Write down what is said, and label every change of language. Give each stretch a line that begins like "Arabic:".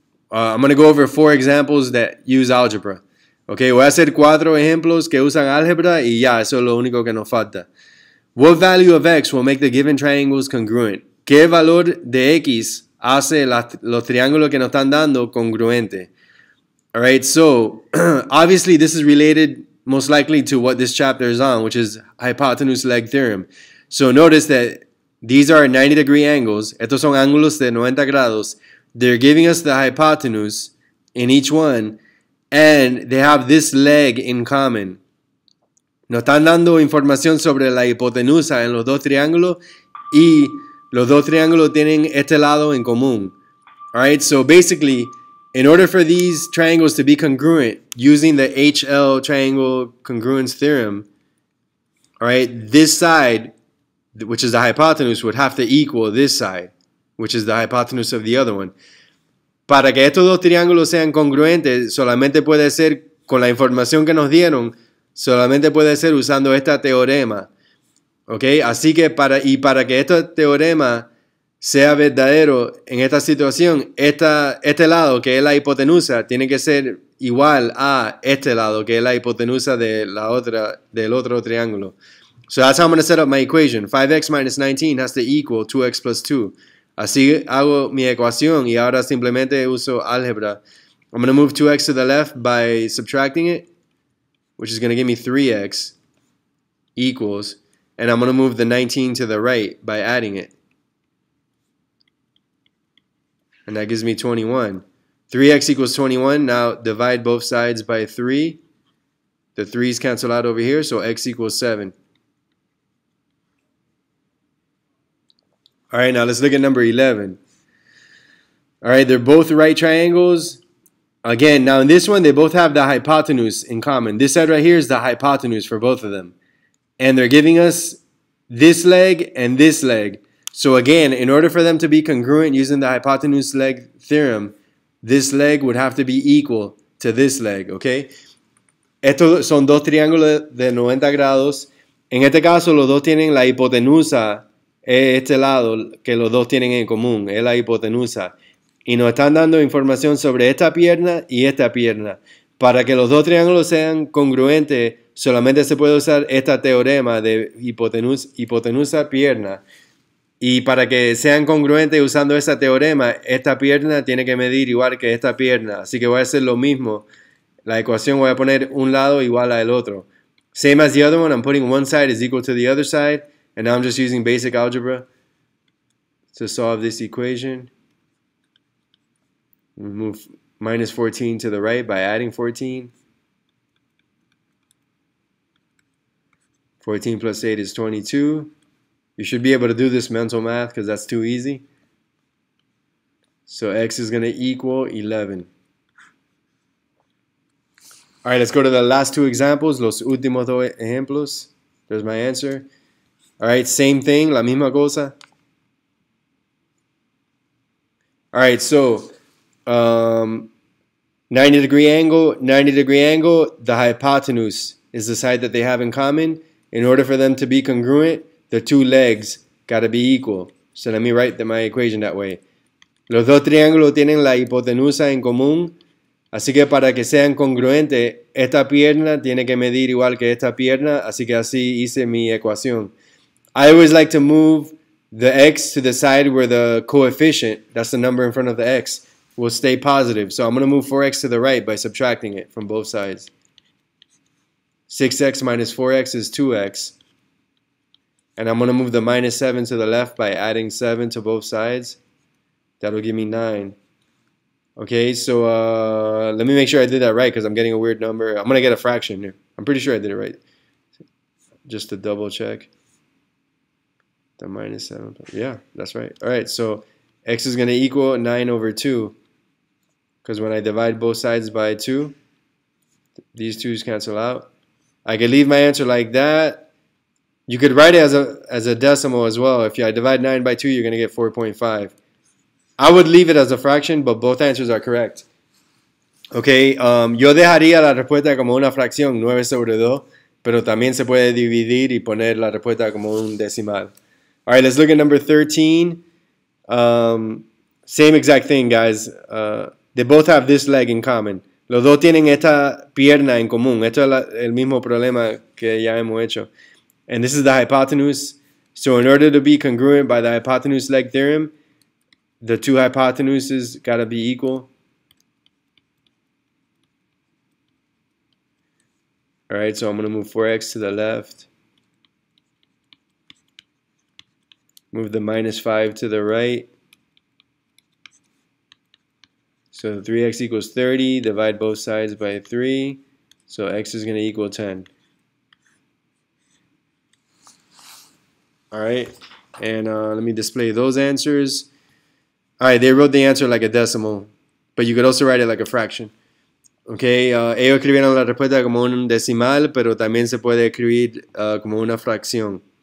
English: I'm going to go over 4 examples that use algebra.
Spanish: Okay, voy a hacer 4 ejemplos que usan álgebra y ya, eso es lo único que nos falta.
English: What value of x will make the given triangles congruent?
Spanish: ¿Qué valor de x hace los triángulos que nos están dando congruente?
English: All right, so obviously this is related most likely to what this chapter is on, which is hypotenuse leg theorem. So notice that these are 90 degree angles.
Spanish: Estos son ángulos de 90 grados.
English: They're giving us the hypotenuse in each one, and they have this leg in common.
Spanish: Nos están dando información sobre la hipotenusa en los dos triángulos, y los dos triángulos tienen este lado en común.
English: All right, so basically, in order for these triangles to be congruent using the HL triangle congruence theorem, all right, this side, which is the hypotenuse, would have to equal this side, which is the hypotenuse of the other one.
Spanish: Para que estos dos triángulos sean congruentes, solamente puede ser con la información que nos dieron, solamente puede ser usando esta teorema. Okay, así que para que este teorema sea verdadero en esta situación, este lado que es la hipotenusa tiene que ser igual a este lado que es la hipotenusa de la otra, del otro triángulo.
English: So that's how I'm going to set up my equation. 5x minus 19 has to equal 2x plus 2.
Spanish: Así hago mi ecuación y ahora simplemente uso álgebra.
English: I'm going to move 2x to the left by subtracting it, which is going to give me 3x equals, and I'm going to move the 19 to the right by adding it. And that gives me 21. 3x equals 21. Now divide both sides by 3. The 3's cancel out over here, so x equals 7. All right, now let's look at number 11. All right, they're both right triangles. Again, now in this one, they both have the hypotenuse in common. This side right here is the hypotenuse for both of them. And they're giving us this leg and this leg. So again, in order for them to be congruent using the hypotenuse leg theorem, this leg would have to be equal to this leg, okay?
Spanish: Estos son dos triángulos de 90 grados. En este caso, los dos tienen la hipotenusa. Es este lado que los dos tienen en común, es la hipotenusa. Y nos están dando información sobre esta pierna y esta pierna. Para que los dos triángulos sean congruentes, solamente se puede usar este teorema de hipotenusa-pierna. Y para que sean congruentes usando ese teorema, esta pierna tiene que medir igual que esta pierna. Así que voy a hacer lo mismo. La ecuación voy a poner un lado igual al otro.
English: Same as the other one, I'm putting one side is equal to the other side. And now I'm just using basic algebra to solve this equation. Move minus 14 to the right by adding 14. 14 plus 8 is 22. You should be able to do this mental math because that's too easy. So x is going to equal 11. All right, let's go to the last two examples.
Spanish: Los últimos dos ejemplos.
English: There's my answer. All right, same thing,
Spanish: la misma cosa.
English: All right, so 90 degree angle, the hypotenuse is the side that they have in common. In order for them to be congruent, the two legs gotta be equal. So let me write my equation that way.
Spanish: Los dos triángulos tienen la hipotenusa en común. Así que para que sean congruentes, esta pierna tiene que medir igual que esta pierna. Así que así hice mi ecuación.
English: I always like to move the x to the side where the coefficient, that's the number in front of the x, will stay positive. So I'm going to move 4x to the right by subtracting it from both sides. 6x minus 4x is 2x. And I'm going to move the minus 7 to the left by adding 7 to both sides. That'll give me 9. Okay, so let me make sure I did that right because I'm getting a weird number. I'm going to get a fraction here. I'm pretty sure I did it right. Just to double check. The minus 7. Yeah, that's right. All right, so x is going to equal 9 over 2. Because when I divide both sides by 2, these 2's cancel out. I could leave my answer like that. You could write it as a decimal as well. If I divide 9 by 2, you're going to get 4.5. I would leave it as a fraction, but both answers are correct.
Spanish: Okay, yo dejaría la respuesta como una fracción, 9 sobre 2. Pero también se puede dividir y poner la respuesta como un decimal.
English: All right, let's look at number 13. Same exact thing, guys. They both have this leg in common.
Spanish: Los dos tienen esta pierna en común. Esto es el mismo problema que ya hemos hecho.
English: And this is the hypotenuse. So in order to be congruent by the hypotenuse leg theorem, the two hypotenuses gotta be equal. All right, so I'm going to move 4x to the left. Move the minus 5 to the right. So 3x equals 30. Divide both sides by 3. So x is going to equal 10. All right, and let me display those answers. All right, they wrote the answer like a decimal, but you could also write it like a fraction.
Spanish: Okay, ellos escribieron la respuesta como un decimal, pero también se puede escribir como una fracción.